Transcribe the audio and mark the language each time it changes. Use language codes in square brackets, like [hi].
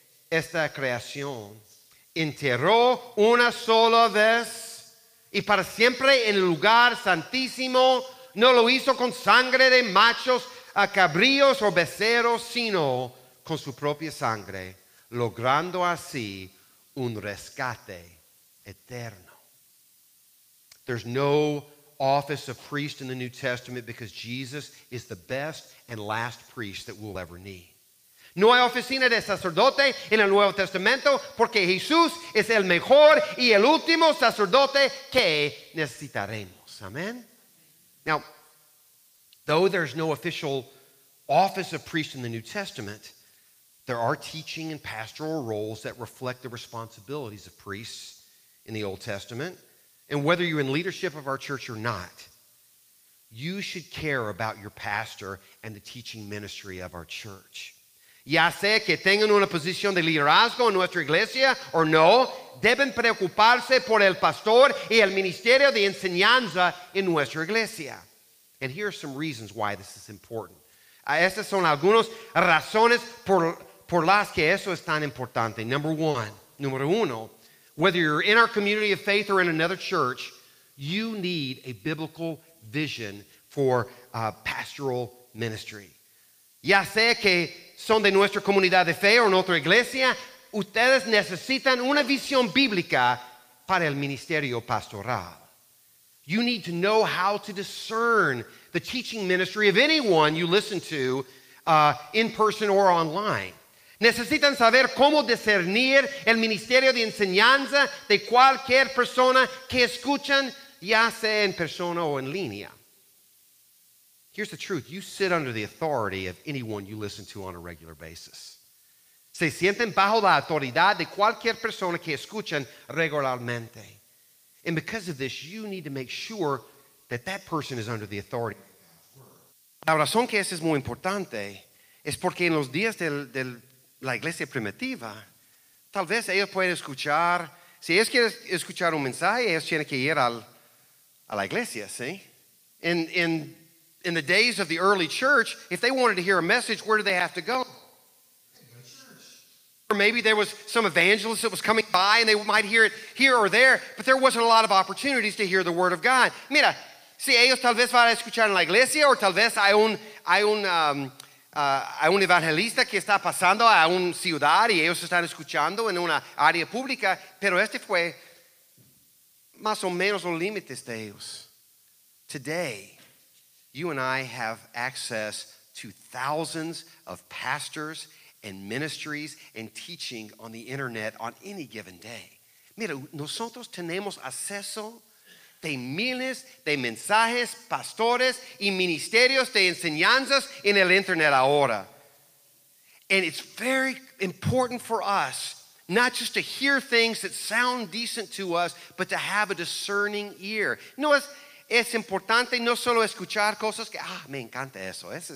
[es] esta creación, entró una sola vez y para siempre en el lugar santísimo, no lo hizo con sangre de machos, a cabríos o becerros, sino con su propia sangre, logrando así un rescate eterno. [en] There's no office of priest in the New Testament because Jesus is the best and last priest that we'll ever need. [es] No hay oficina de sacerdote en el Nuevo Testamento porque Jesús es el mejor y el último sacerdote que necesitaremos. [en] Amen. Now, though there's no official office of priest in the New Testament, there are teaching and pastoral roles that reflect the responsibilities of priests in the Old Testament. And whether you're in leadership of our church or not, you should care about your pastor and the teaching ministry of our church. [es] Ya sea que tengan una posición de liderazgo en nuestra iglesia o no, deben preocuparse por el pastor y el ministerio de enseñanza en nuestra iglesia. [en] And here are some reasons why this is important. [es] Estas son algunas razones por las que eso es tan importante. Número uno, [en] whether you're in our community of faith or in another church, you need a biblical vision for pastoral ministry. [es] Ya sea que son de nuestra comunidad de fe o en otra iglesia, ustedes necesitan una visión bíblica para el ministerio pastoral. [en] You need to know how to discern the teaching ministry of anyone you listen to in person or online. [es] Necesitan saber cómo discernir el ministerio de enseñanza de cualquier persona que escuchan, ya sea en persona o en línea. [en] Here's the truth. You sit under the authority of anyone you listen to on a regular basis. [es] Se sienten bajo la autoridad de cualquier persona que escuchan regularmente. [en] And because of this, you need to make sure that that person is under the authority. [es] La razón que eso es muy importante es porque en los días del la iglesia primitiva, tal vez ellos pueden escuchar, si ellos quieren escuchar un mensaje, ellos tienen que ir a la iglesia, ¿sí? [en] In the days of the early church, if they wanted to hear a message, where did they have to go? Or maybe there was some evangelist that was coming by and they might hear it here or there, but there wasn't a lot of opportunities to hear the word of God. [es] Mira, si ellos tal vez van a escuchar en la iglesia o tal vez hay un evangelista que está pasando a un ciudad y ellos están escuchando en una área pública, pero este fue más o menos los límites de ellos. [en] Today, you and I have access to thousands of pastors and ministries and teaching on the internet on any given day. [es] Mira, nosotros tenemos acceso de miles de mensajes, pastores y ministerios de enseñanzas en el internet ahora. [en] And it's very important for us not just to hear things that sound decent to us, but to have a discerning ear. [es] No es... Es importante no solo escuchar cosas que, me encanta eso.